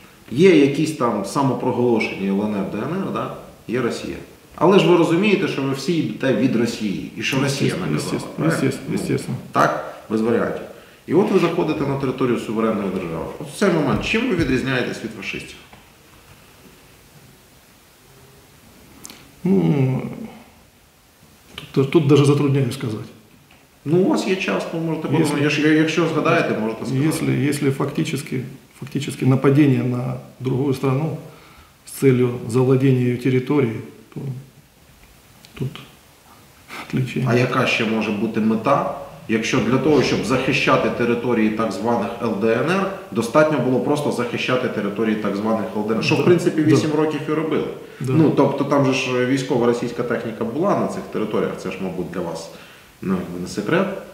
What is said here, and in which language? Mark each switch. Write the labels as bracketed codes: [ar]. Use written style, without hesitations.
[uk] Є якісь там самопроголошені ЛНР, ДНР, да? Є Росія. Але ж ви розумієте, що ви всі йдете від Росії. І що Росія наказала. Звісно. Ну, так? Без варіантів. І от ви заходите на територію суверенної держави. От в цей момент, чим ви відрізняєтесь від фашистів? [ru] Ну, тут даже затрудняюсь сказать. [uk] Ну, у вас є час, то можете подумати. Якщо згадаєте, можете сказати. [ru] Якщо фактически нападение на другую страну с целью завладения ее территорией, то тут отличие. [uk] А яка ще може бути мета? Якщо для того, щоб захищати території так званих ЛДНР, достатньо було просто захищати території так званих ЛДНР, що, в принципі, 8 років і робили. Да. Ну, тобто там же ж військова російська техніка була на цих територіях, це ж, мабуть, для вас, ну, не секрет.